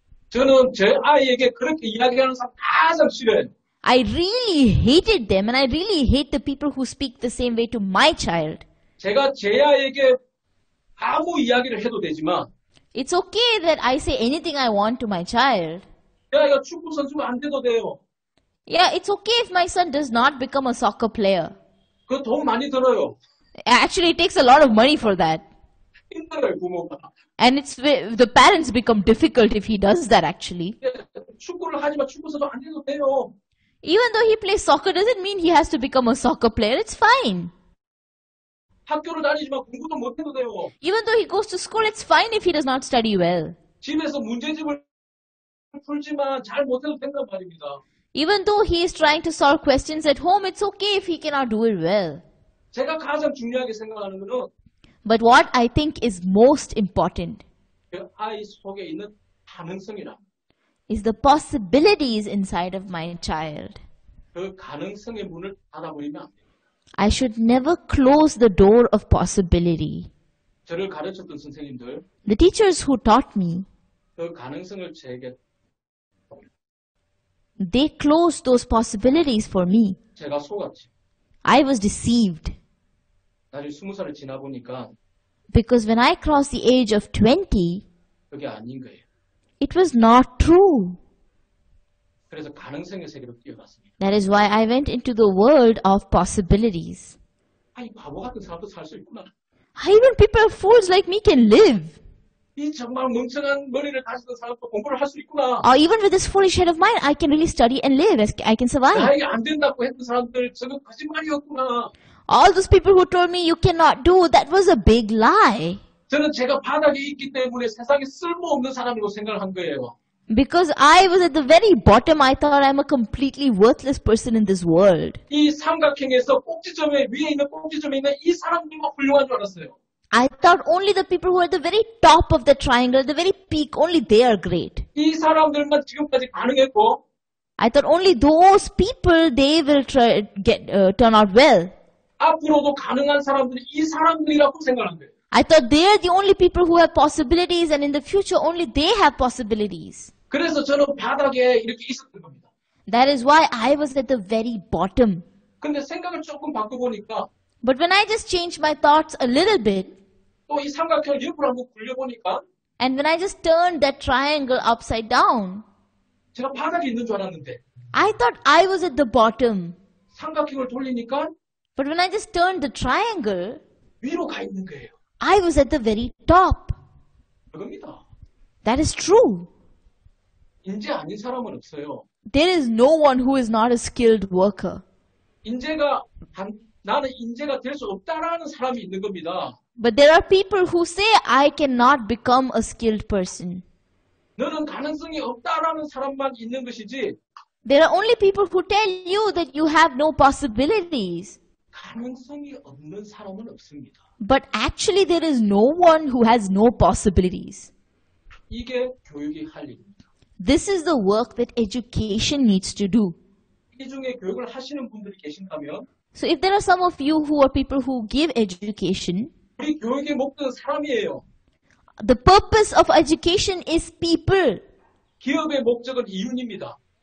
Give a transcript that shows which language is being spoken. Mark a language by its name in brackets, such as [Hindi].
[Korean] I 제 아이에게 그렇게 이야기하는 사람 가장 싫어요. [English] I really hated them and I really hate the people who speak the same way to my child. [Korean] 제가 제 아이에게 아무 이야기를 해도 되지만 [English] It's okay that I say anything I want to my child. [Korean] 제 아이가 축구 선수가 안 돼도 돼요. [English] Yeah, it's okay if my son does not become a soccer player. [Korean] 그 돈 많이 들어요. [English] Actually, it takes a lot of money for that. [Korean] 힘들어요, 부모가. [English] And it's the parents become difficult if he does that, actually. [Korean] 축구를 하지만 축구선수 안 해도 돼요. [English] Even though he plays soccer, doesn't mean he has to become a soccer player. It's fine. [Korean] 학교를 다니지만 공부도 못 해도 돼요. [English] Even though he goes to school, it's fine if he does not study well. [Korean] 집에서 문제집을 풀지만 잘 못 해도 된단 말입니다. [English] Even though he is trying to solve questions at home, it's okay if he cannot do it well. [Korean] 제가 가장 중요하게 생각하는 거는 [English] But what I think is most important [Korean] 그 아이 속에 있는 가능성이라 [English] is the possibilities inside of my child. [Korean] 그 가능성의 문을 닫아버리면 안 됩니다. [English] I should never close the door of possibility. [Korean] 저를 가르쳤던 선생님들 [English] The teachers who taught me [Korean] 그 가능성을 제게 [English] They closed those possibilities for me. [Korean] 제가 속았지. [English] I was deceived. [Korean] 나를 스무 살을 지나보니까 [English] Because when I crossed the age of 20 [Korean] 그게 아닌 거예요. [English] It was not true. [Korean] 그래서 가능성의 세계로 뛰어갔습니다. [English] That is why I went into the world of possibilities. [Korean] 아니, 바보 같은 사람도 살 수 있구나. [English] Even people fools like me can live. [Korean] 이 정말 멍청한 머리를 가진 사람도 공부를 할 수 있구나. [English] Even with this foolish head of mine, I can really study and live. I can survive. [Korean] 나에게 안 된다고 했던 사람들, 저거 거짓말이었구나. [English] All those people who told me you cannot do, that was a big lie. [Korean] 저는 제가 바닥에 있기 때문에 세상에 쓸모없는 사람이라고 생각을 한 거예요. [English] Because I was at the very bottom, I thought I'm a completely worthless person in this world. [Korean] 이 삼각형에서 꼭지점에, 위에 있는 꼭지점에 있는 이 사람들만 훌륭한 줄 알았어요. [English] I thought only the people who are at the very top of the triangle, the very peak, only they are great. [Korean] 이 사람들만 지금까지 가능했고, [English] I thought only those people, they will try, get, turn out well. [Korean] 앞으로도 가능한 사람들이 이 사람들이라고 생각한 거예요. [English] I thought they are the only people who have possibilities and in the future only they have possibilities. [Korean] 그래서 저는 바닥에 이렇게 있었던 겁니다. [English] That is why I was at the very bottom. [Korean] 근데 생각을 조금 바꿔보니까 [English] But when I just changed my thoughts a little bit, [Korean] 또 이 삼각형 옆으로 한번 굴려보니까, [English] and when I just turned that triangle upside down, [Korean] 제가 바닥에 있는 줄 알았는데, [English] I thought I was at the bottom. [Korean] 삼각형을 돌리니까, [English] but when I just turned the triangle, [Korean] 위로 가 있는 거예요. [English] I was at the very top. [Korean] 그겁니다. [English] That is true. [Korean] 인재 아닌 사람은 없어요. [English] There is no one who is not a skilled worker. [Korean] 인재가 나는 인재가 될 수 없다라는 사람이 있는 겁니다. [English] But there are people who say I cannot become a skilled person. [Korean] 너는 가능성이 없다라는 사람만 있는 것이지. [English] There are only people who tell you that you have no possibilities. [Korean] 가능성이 없는 사람은 없습니다. [English] But actually there is no one who has no possibilities. [Korean] 이게 교육이 할 일입니다. [English] This is the work that education needs to do. [Korean] 이 중에 교육을 하시는 분들이 계신다면, [English] so if there are some of you who are people who give education, [Korean] 우리 교육의 목적은 사람이에요. [English] The purpose of education is people. [Korean] 기업의 목적은 이윤입니다.